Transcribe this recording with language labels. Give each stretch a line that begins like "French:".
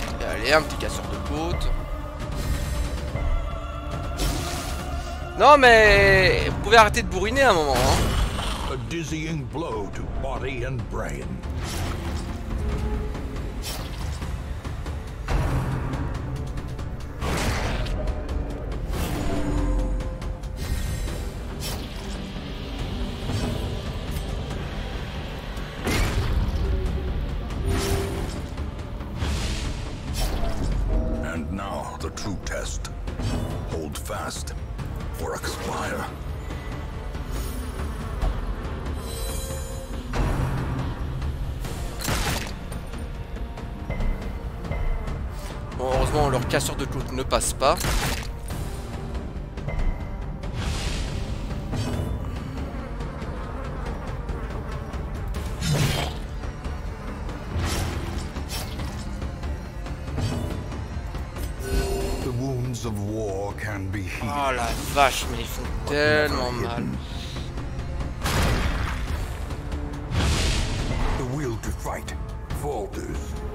French: Allez, un petit casseur de côte. Non, mais vous pouvez arrêter de bourriner un moment, hein.
English: A dizzying blow to body and brain. And now the true test. Hold fast or expire.
French: Bon, heureusement, leur casseur de côte ne passe pas.
English: The wounds of war can be healed.
French: Oh la vache, mais ils font tellement mal.
English: The will to fight falters.